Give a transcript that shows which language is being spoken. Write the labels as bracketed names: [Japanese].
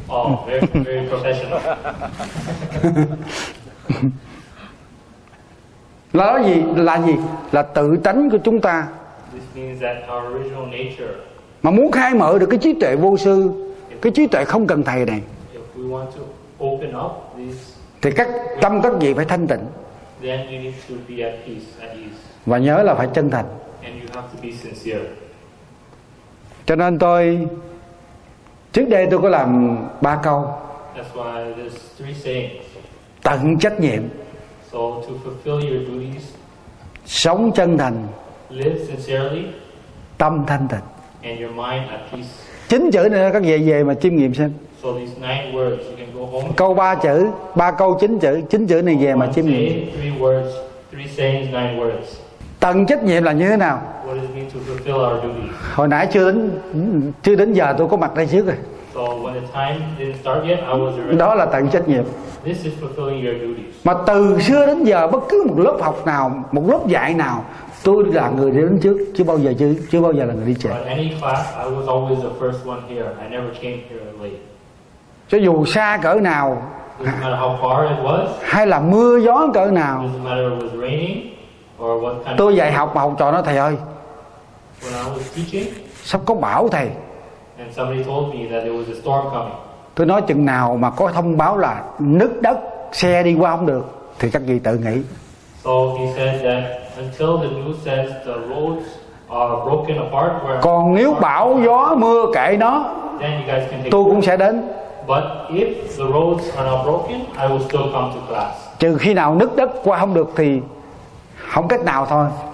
[English] Oh, very, very professional. [Vietnamese] Là gì? Là gì? Là tự tánh của chúng ta. [English] This means that our original nature. [Vietnamese] Mà muốn khai mở được cái trí tuệ vô sư, cái trí tuệ không cần thầy này, [English] if we want to open up this, [Vietnamese] thì các tâm các vị phải thanh tịnh. [English] Then you need to be at peace, at ease. [Vietnamese] Và nhớ là phải chân thành. [English] And you have to be sincere. [Vietnamese] Cho nên tôi trước đây tôi có làm ba câu. [English] That's why there's three sayings. [Vietnamese] Tận trách nhiệm. [English] So to fulfill your duties. [Vietnamese] Sống chân thành. [English] Live sincerely. [Vietnamese] Tâm thanh tịnh. [English] And your mind at peace. [Vietnamese] Chín chữ nữa các vị về mà chiêm nghiệm xem. [English] So these nine words, you can go home. [Vietnamese] Câu ba chữ, ba câu chín chữ này về mà chiêm nghiệm. [English] Three words, three sayings, nine words. [Vietnamese] Tận trách nhiệm là như thế nào? [English] What does it mean to fulfill our duty? [Vietnamese] Hồi nãy chưa đến giờ tôi có mặt đây trước rồi. [English] So when the time didn't start yet, I was already. [Vietnamese] Đó là tận trách nhiệm. [English] This is fulfilling your duties. [Vietnamese] Mà từ xưa đến giờ bất cứ một lớp học nào, một lớp dạy nào, tôi là người đi đến trước, chưa bao giờ là người đi trễ. [English] But any class, I was always the first one here. I never came here late. [Vietnamese] Cho dù xa cỡ nào, [English] doesn't matter how far it was, [Vietnamese] hay là mưa gió cỡ nào, [English] doesn't matter if it was raining. [Vietnamese] Tôi dạy học mà học trò nói thầy ơi, [English] teaching, [Vietnamese] sắp có bão thầy. [English] And somebody told me that there was a storm coming. [Vietnamese] Tôi nói chừng nào mà có thông báo là nứt đất, xe đi qua không được, thì các vị tự nghĩ. [English] So he said that until the news says the roads are broken apart. [Vietnamese] Còn nếu bão gió mưa kệ nó, [English] then you guys can take [Vietnamese] tôi cũng sẽ đến. [English] But if the roads are not broken, I will still come to class. [Vietnamese] Trừ khi nào nứt đất qua không được thì không cách nào thôi.